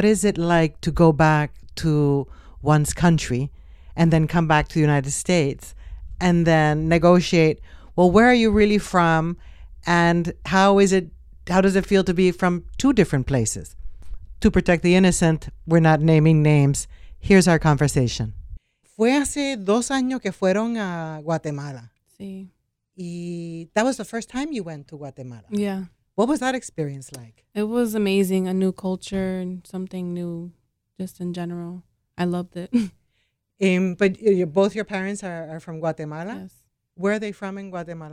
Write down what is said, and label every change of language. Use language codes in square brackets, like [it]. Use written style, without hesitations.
[en] What is it like to go back to one's country and then come back to the United States and then negotiate, well, where are you really from? And how does it feel to be from two different places? To protect the innocent, we're not naming names. Here's our conversation. [es] Fue hace dos años que fueron a Guatemala. Sí. [en] Y that was the first time you went to Guatemala. Yeah. What was that experience like? It was amazing. A new culture and something new just in general. I loved it. But both your parents are from Guatemala? Yes. Where are they from in Guatemala?